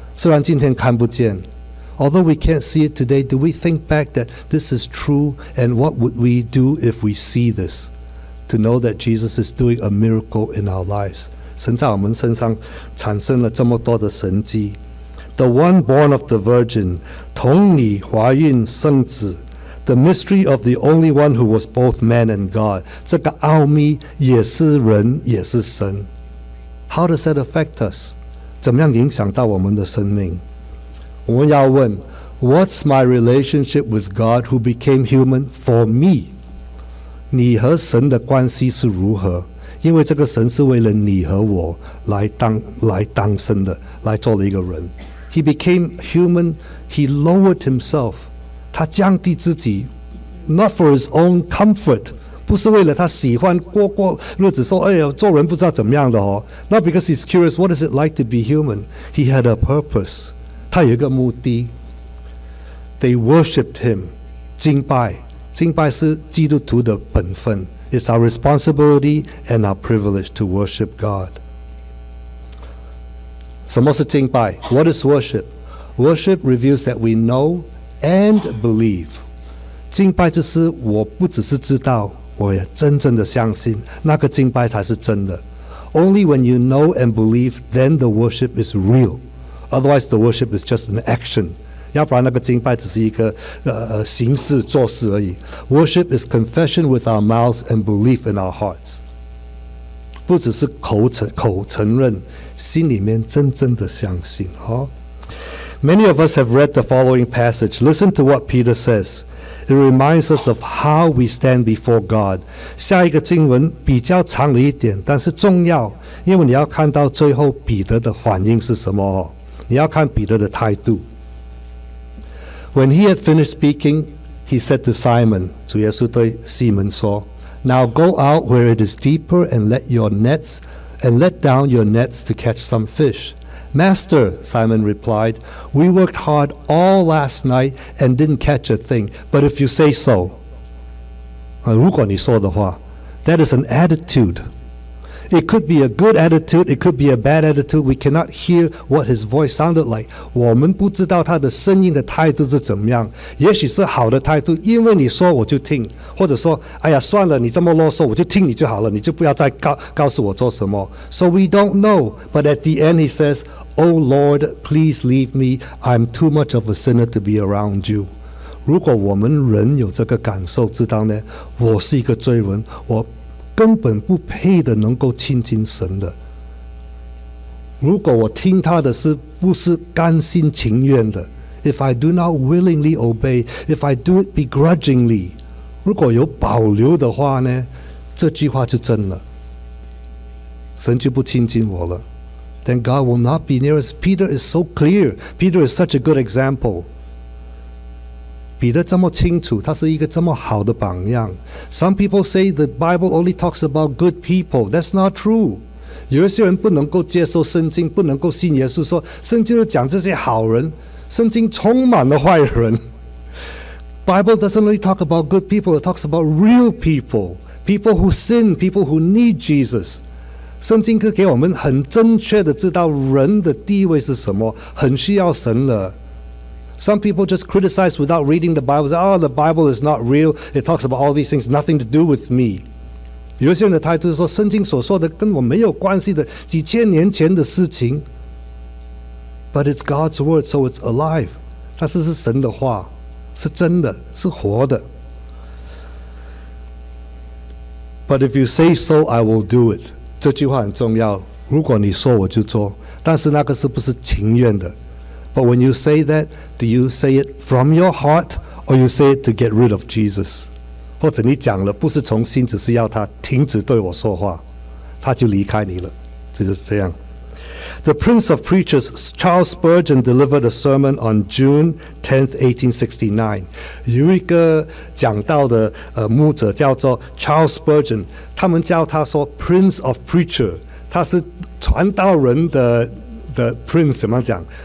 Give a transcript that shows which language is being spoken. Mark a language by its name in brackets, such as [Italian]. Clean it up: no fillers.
[Chinese] 虽然今天看不见。 [English] Although we can't see it today, do we think back that this is true? And what would we do if we see this? To know that Jesus is doing a miracle in our lives. [Chinese] 神在我们身上产生了这么多的神迹。 [English] The one born of the virgin, [Chinese] 童女怀孕生子。 [English] The mystery of the only one who was both man and God. [Chinese] 这个奥秘也是人也是神。 [English] How does that affect us? [Chinese] 怎么样影响到我们的生命？我们要问 [English] What's my relationship with God who became human for me? [Chinese] 你和神的关系是如何？因为这个神是为了你和我来当生的，来做了一个人。 [English] He became human, he lowered himself. [Chinese] 他降低自己 , [English] not for his own comfort. [Chinese] 不是为了他喜欢过日子说哎呀做人不知道怎么样的哦。 [English] Not because he's curious, what is it like to be human? He had a purpose. [Chinese] 他有一个目的。 [English] They worshipped him. [Chinese] 敬拜。敬拜是基督徒的本分。 [English] It's our responsibility and our privilege to worship God. [Chinese] 什么是敬拜? [English] What is worship? Worship reveals that we know and believe. [Chinese] 敬拜就是我不只是知道,我也真正的相信,那个敬拜才是真的。 [English] Only when you know and believe, then the worship is real. Otherwise, the worship is just an action. [Chinese] 要不然那个敬拜只是一个形式做事而已。 [English] Worship is confession with our mouths and belief in our hearts. [Chinese] 不只是口承认，心里面真正的相信。哦、 [English] Many of us have read the following passage. Listen to what Peter says. It reminds us of how we stand before God. [Chinese] 下一个经文比较长了一点，但是重要，因为你要看到最后彼得的反应是什么、哦、你要看彼得的态度。 [English] When he had finished speaking, he said to Simon, [Chinese] 主耶稣对西门说, [English] Now go out where it is deeper and let down your nets to catch some fish. Master, Simon replied, we worked hard all last night and didn't catch a thing, but if you say so, [Chinese] 如果你说的话, [English] that is an attitude. It could be a good attitude, it could be a bad attitude. We cannot hear what his voice sounded like. [Chinese] 我们不知道他的声音的态度是怎么样。也许是好的态度，因为你说我就听。或者说，哎呀，算了，你这么啰嗦，我就听你就好了，你就不要再告诉我做什么。 [English] So we don't know. But at the end he says, Oh Lord, please leave me. I'm too much of a sinner to be around you. [Chinese] 如果我们人有这个感受知道呢，我是一个罪人，我根本不配的能够亲近神的。如果我听他的是不是甘心情愿的 [English] ？If I do not willingly obey, if I do it begrudgingly, [Chinese] 如果有保留的话呢？这句话就真了，神就不亲近我了。 [English] Then God will not be near us. Peter is so clear. Peter is such a good example. [Chinese] 彼得这么清楚，他是一个这么好的榜样。 [English] Some people say the Bible only talks about good people. That's not true. [Chinese] 有些人不能够接受圣经，不能够信耶稣，说圣经就讲这些好人，圣经充满了坏人。 [English] Bible doesn't only talk about good people. It talks about real people, people who sin, people who need Jesus. [Chinese] 圣经是给我们很正确的知道人的地位是什么，很需要神了。 [English] Some people just criticize without reading the Bible. Say, oh, the Bible is not real. It talks about all these things. Nothing to do with me. [Chinese] 有些人的态度是说，圣经所说的跟我没有关系的，几千年前的事情。 [English] But it's God's word, so it's alive. [Chinese] 但是是神的话，是真的，是活的。 [English] But if you say so, I will do it. [Chinese] 这句话很重要。如果你说，我就做。但是那个是不是情愿的？ [English] But when you say that, do you say it from your heart or you say it to get rid of Jesus? [Chinese] 或者你讲了不是从心，只是要他停止对我说话，他就离开你了，就是这样。 [English] The Prince of Preachers, Charles Spurgeon, delivered a sermon on June 10th, 1869. [Chinese] 有一个讲道的牧者叫做 Charles Spurgeon, 他们叫他说 [English] Prince of Preacher, [Chinese] 他是传道人的 Prince, 怎么讲？